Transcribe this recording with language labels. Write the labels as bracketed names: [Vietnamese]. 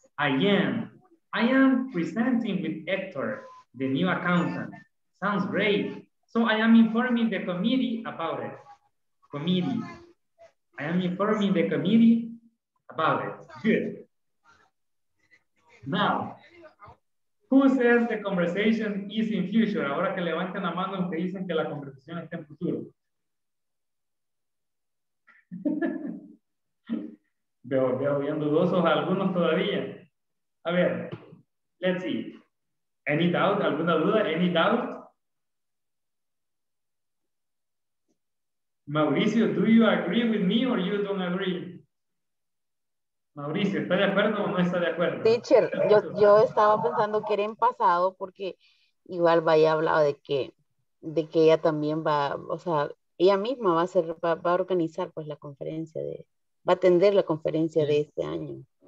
[English] I am presenting with Hector, the new accountant. Sounds great. So I am informing the committee about it. Committee. I am informing the committee about it. Good. Now, who says the conversation is in future? [Spanish] Ahora que levanten la mano aunque dicen que la conversación está en futuro. Veo bien dudosos a algunos todavía. A ver, [English] let's see. Any doubt? [Spanish] ¿Alguna duda? [English] Any doubt? Mauricio, do you agree with me or you don't agree? [Spanish] Mauricio, ¿está de acuerdo o no está de acuerdo? Teacher, yo estaba pensando que era en pasado porque igual vaya hablado de que ella también va, o sea, ella misma va a organizar pues la conferencia de, va a atender la conferencia de este año.